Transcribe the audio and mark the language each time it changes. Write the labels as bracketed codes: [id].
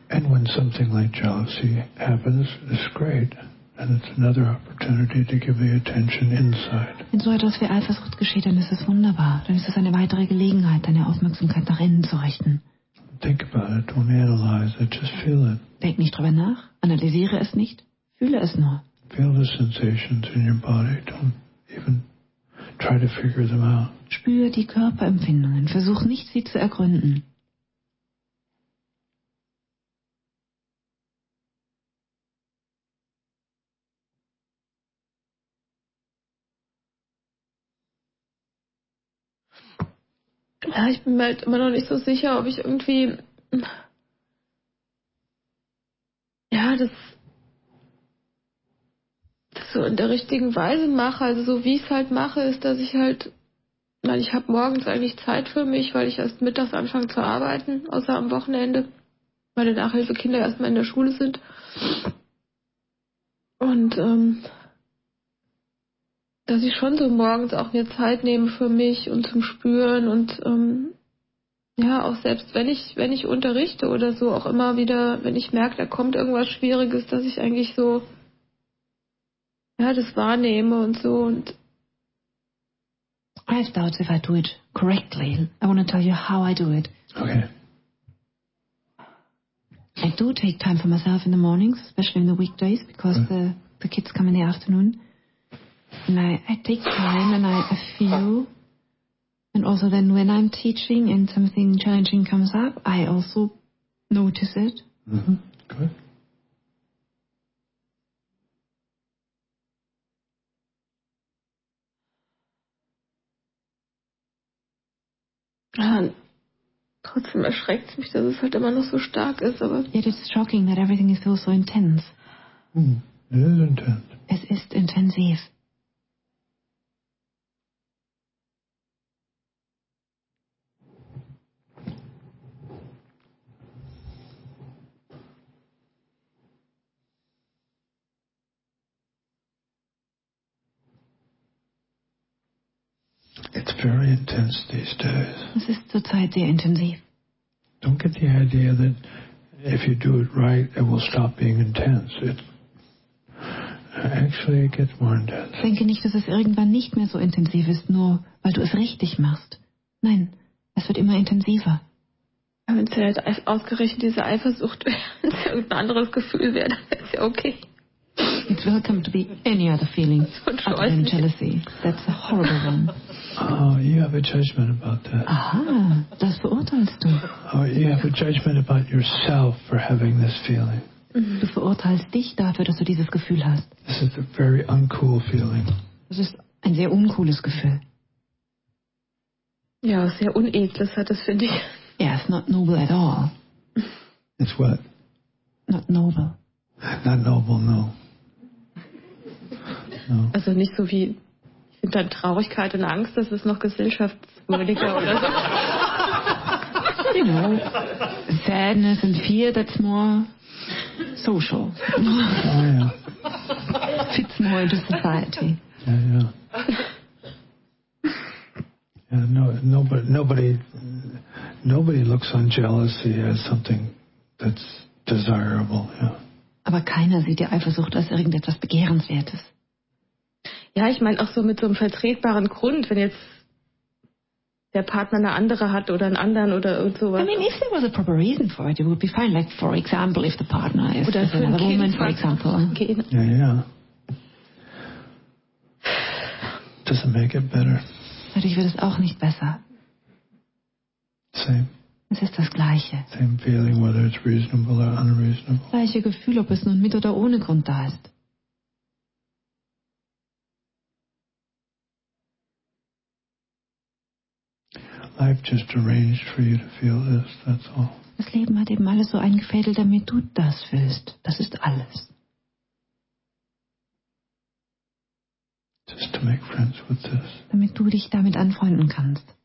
[en] And when something like jealousy happens, it's great. And it's another opportunity to give the attention inside. [de] Wenn so etwas wie Eifersucht geschieht, dann ist es wunderbar. Dann ist es eine weitere Gelegenheit, deine Aufmerksamkeit nach innen zu richten. [en] Think about it, don't analyze it, just feel it. [de] Denk nicht drüber nach, analysiere es nicht, fühle es nur. [en] Feel the sensations in your body, don't even try to figure them out. [de] Spüre die Körperempfindungen, versuch nicht, sie zu ergründen. Ja, ich bin mir halt immer noch nicht so sicher, ob ich irgendwie, ja, das so in der richtigen Weise mache. Also so wie ich es halt mache, ist, dass ich halt, ich habe morgens eigentlich Zeit für mich, weil ich erst mittags anfange zu arbeiten, außer am Wochenende, weil die Nachhilfekinder erstmal in der Schule sind. Und dass ich schon so morgens auch mir Zeit nehme für mich und zum Spüren und ja, auch selbst wenn ich unterrichte oder so, auch immer wieder, wenn ich merke, da kommt irgendwas Schwieriges, dass ich eigentlich so ja, das wahrnehme und so. Und [en] I have doubts if I do it correctly. I want to tell you how I do it. Okay. I do take time for myself in the mornings, especially in the weekdays, because the kids come in the afternoon. And I take time and I feel, and also then when I'm teaching and something challenging comes up, I also notice it. Mm-hmm. Good. [de] Trotzdem erschreckt es mich, dass es halt immer noch so stark ist, aber... [en] Yet it's shocking that everything is still so intense. It is intense. [de] Es ist intensiv. [en] It's very intense these days. [de] Es ist zurzeit sehr intensiv. [en] Don't get the idea that if you do it right, it will stop being intense. It actually gets more intense. [de] Denke nicht, dass es irgendwann nicht mehr so intensiv ist, nur weil du es richtig machst. Nein, es wird immer intensiver. Wenn es halt ausgerechnet diese Eifersucht wäre, wenn es irgendein anderes Gefühl wäre, dann wäre es ja okay. [en] It's welcome to be any other feeling other than jealousy. That's a horrible one. Oh, you have a judgment about that. [de] Aha, das verurteilst du. [en] Oh, you have a judgment about yourself for having this feeling. [de] Du verurteilst dich dafür, dass du dieses Gefühl hast. [en] This is a very uncool feeling. [de] Das ist ein sehr uncooles Gefühl. Ja, sehr unedles hat es, finde ich. [en] Yeah, it's not noble at all. It's what? Not noble. Not noble, no. No. [de] Also nicht so wie, ich finde dann Traurigkeit und Angst, das ist noch gesellschaftswürdiger oder so. [en] You know, sadness and fear, that's more social. Oh, yeah. Fits more into society. Yeah, yeah. Nobody looks on jealousy as something that's desirable. Yeah. [de] Aber keiner sieht die Eifersucht als irgendetwas Begehrenswertes. Ja, ich meine auch so mit so einem vertretbaren Grund, wenn jetzt der Partner eine andere hat oder einen anderen oder irgend sowas. [en] I mean, if there was a proper reason for it, it would be fine. Like, for example, if the partner is [de] oder [en] another kind woman, for example. Yeah. Doesn't make it better. [de] Dadurch wird es auch nicht besser. [en] Same. [de] Es ist das Gleiche. [en] Same feeling, whether it's reasonable or unreasonable. [de] Gleiche Gefühl, ob es nun mit oder ohne Grund da ist. [en] Life just arranged for you to feel this, that's all. [de] Das Leben hat eben alles so eingefädelt, damit du das fühlst. Das ist alles. [en] Just to make friends with this. [de] Damit du dich damit anfreunden kannst.